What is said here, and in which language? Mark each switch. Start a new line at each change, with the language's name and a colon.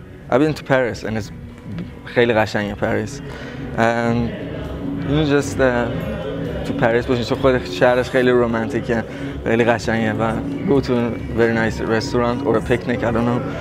English: I've been to Paris and it's
Persian: خیلی قشنگه
English: Paris. And you know, just to Paris
Persian: باشین، چون خود شهرش خیلی رومانتیکه، خیلی قشنگه. و
English: go to a very nice restaurant or a picnic, I don't know.